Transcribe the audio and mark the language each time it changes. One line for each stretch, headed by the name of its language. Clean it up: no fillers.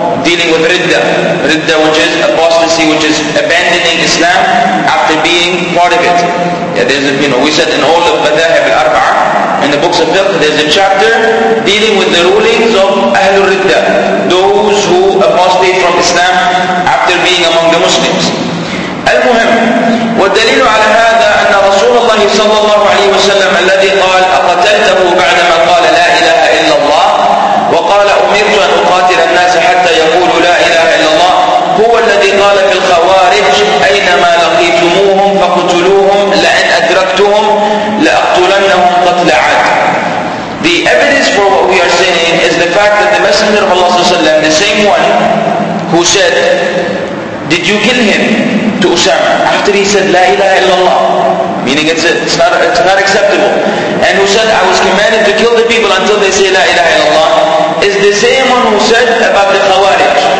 English: Dealing with ridda, which is apostasy, which is abandoning Islam after being part of it. Yeah, there's a, you know, we said in all of Madahib al-Arba'ah, in the books of fiqh, there's a chapter dealing with the rulings of Ahlul Ridda, those who apostate from Islam after being among the Muslims.
Arabic: Al-Muhim, والدليل على هذا أن رسول الله صلى الله عليه وسلم الذي قال أقتلته بعدما قال لا إله إلا الله وقال أمرت أن أقاتل الناس حتى يقول لا إله إلا الله هو الذي قال في الخوارج أينما لقيتموهم فقتلوهم لأن أدركتهم لأقتلنهم قتل عاد.
English: The evidence for what we are saying is the fact that the Messenger of Allah صلى الله عليه وسلم, the same one who said, did you kill him? To Usama, after he said La ilaha illallah, meaning it's not acceptable, and who said I was commanded to kill the people until they say La ilaha illallah, is the same one who said about the Khawarij.